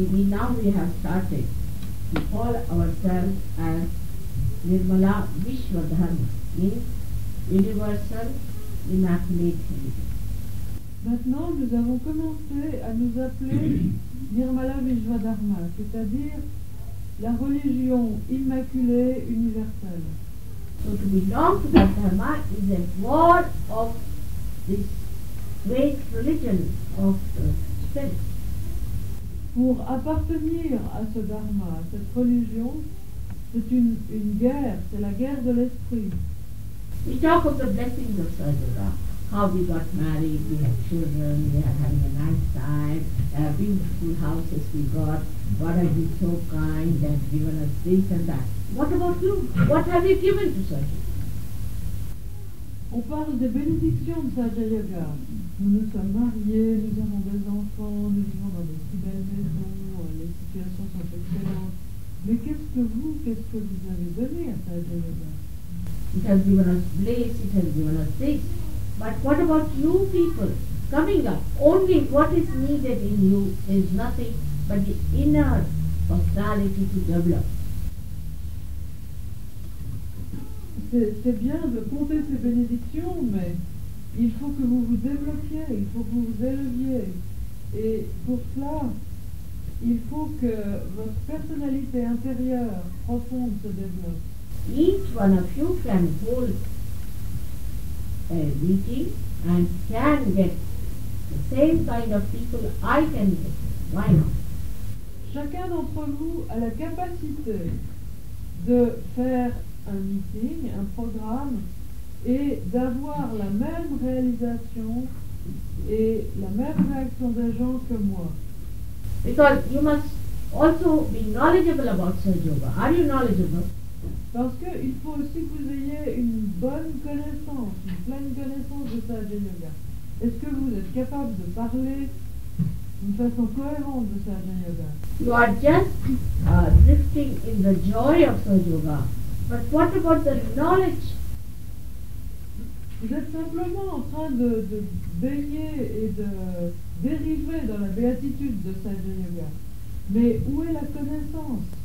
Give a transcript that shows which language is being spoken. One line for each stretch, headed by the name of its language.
English: Now we have started to call ourselves as Nirmala Vishwadharma, means universal immaculate heritage.
French: Maintenant, nous avons commencé à nous appeler Nirmala Vishwadharma, c'est-à-dire la religion immaculée universelle.
English: So to belong to that dharma is a word of this great religion of the spirit.
French: Pour appartenir à ce dharma, à cette religion, c'est une guerre, c'est la guerre de l'esprit.
English: We talk of the blessings of Sadhguru. How we got married, we have children, we are having a nice time, beautiful houses we got, God has been so kind and given us this and that. What about you? What have you given to Sadhguru?
French: On parle des bénédictions de Sadhguru. Nous nous sommes mariés, nous avons des enfants, nous vivons dans des si belles maisons, les situations sont excellentes. Mais qu'est-ce que vous avez donné à Sadhguru?
English: It has given us bliss, it has given us this. But what about you people coming up? Only what is needed in you is nothing but the inner personality to develop.
French: C'est bien de compter ces bénédictions, mais il faut que vous vous développiez, il faut que vous vous éleviez. Et pour cela, il faut que votre personnalité intérieure profonde se développe.
English: Each one of you can hold a meeting and can get the same kind of people I can get. Why not?
French: Chacun d'entre vous a la capacité de faire un meeting, un programme, et d'avoir la même réalisation et la même réaction des gens que moi.
English: Because you must also be knowledgeable about Sahaja Yoga. Are you knowledgeable?
French: Parce qu'il faut aussi que vous ayez une bonne connaissance, une pleine connaissance de Sahaja Yoga. Est-ce que vous êtes capable de parler d'une façon cohérente de Sahaja Yoga?
English: You are just drifting in the joy of Sahaja Yoga. But what about the knowledge?
French: Vous êtes simplement en train de baigner et de dériver dans la béatitude de Sahaja Yoga. Mais où est la connaissance?